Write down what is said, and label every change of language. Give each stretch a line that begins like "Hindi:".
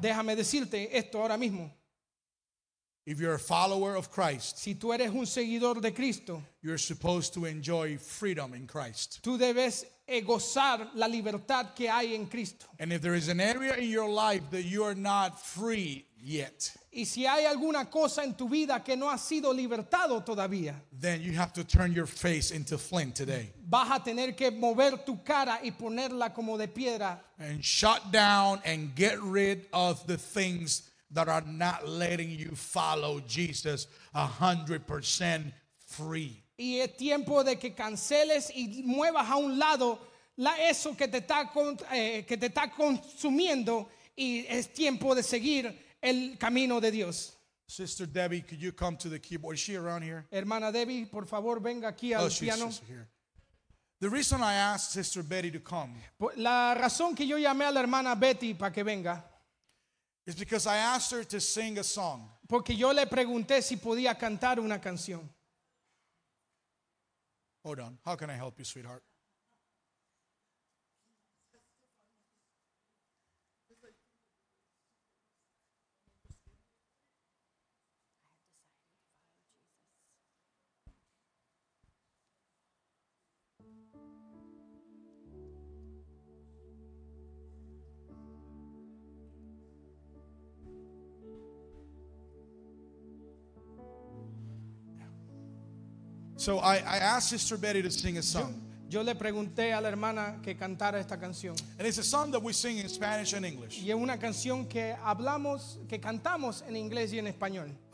Spanish: Déjame decirte esto ahora mismo.
English: If you're a follower of Christ,
Spanish: si tú eres un seguidor de Cristo,
English: you're supposed to enjoy freedom in Christ.
Spanish: Tú debes gozar la libertad que hay en Cristo.
English: And if there is an area in your life that you are not free yet,
Spanish: y si hay alguna cosa en tu vida que no ha sido libertado todavía,
English: then you have to turn your face into flint today.
Spanish: Vas a tener que mover tu cara y ponerla como de piedra.
English: And shut down and get rid of the things that are not letting you follow Jesus 100% free.
Spanish: Y es tiempo de que canceles y muevas a un lado eso que te está consumiendo, y es tiempo de seguir el camino de Dios.
English: Sister Debbie, could you come to the keyboard? Is she around here?
Spanish: Hermana Debbie, por favor, venga aquí al piano.
English: Oh, she's here. The reason I asked Sister Betty to come,
Spanish: la razón que yo llamé a la hermana Betty para que venga,
English: is because I asked her to sing a song.
Spanish: Porque yo le pregunté si podía cantar una canción.
English: Hold on. How can I help you, sweetheart? So I asked Sister Betty to sing a song.
Spanish: Yo le pregunté a la hermana que cantara esta canción.
English: And it's a song that we sing in Spanish and English.
Spanish: Y es una canción que hablamos, que cantamos en inglés y en español.